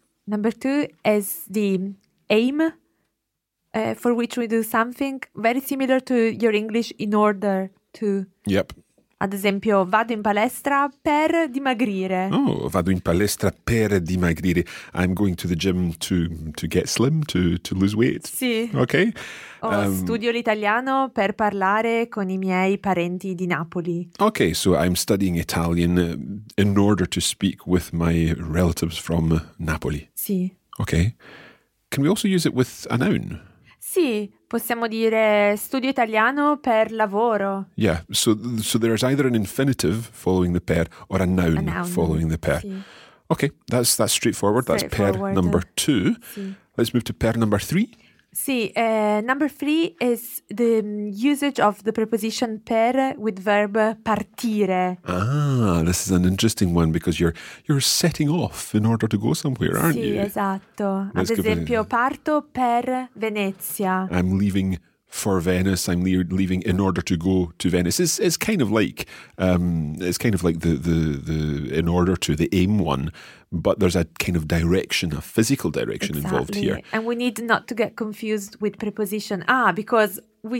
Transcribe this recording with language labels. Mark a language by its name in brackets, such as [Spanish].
[English] Number 2 is the aim for which we do something very similar to your English in order to. Yep. [Italian] Ad esempio, vado in palestra per dimagrire. Oh, vado in palestra per dimagrire. [English] I'm going to the gym to get slim, to lose weight. [Italian] Sì. [English] Okay. [Italian] Studio l'italiano per parlare con I miei parenti di Napoli. [English] Okay, so I'm studying Italian in order to speak with my relatives from Napoli. [Italian] Sì. [English] Okay. Can we also use it with a noun? [Italian] Sì, possiamo dire studio italiano per lavoro. [English] Yeah, so there's either an infinitive following the per or a noun following the per. [Italian] Sì. [English] Okay, that's straightforward. That's per number 2. [Italian] Sì. [English] Let's move to per number 3. Sì, number 3 is the usage of the preposition per with verb partire. Ah, this is an interesting one because you're setting off in order to go somewhere, aren't [Italian] sì, [English] you? [Italian] Sì, esatto. Let's Ad esempio, parto per Venezia. [English] I'm leaving for Venice. I'm leaving in order to go to Venice. It's kind of like the in order to, the aim one, but there's a kind of direction, a physical direction exactly. involved here. And we need not to get confused with preposition because we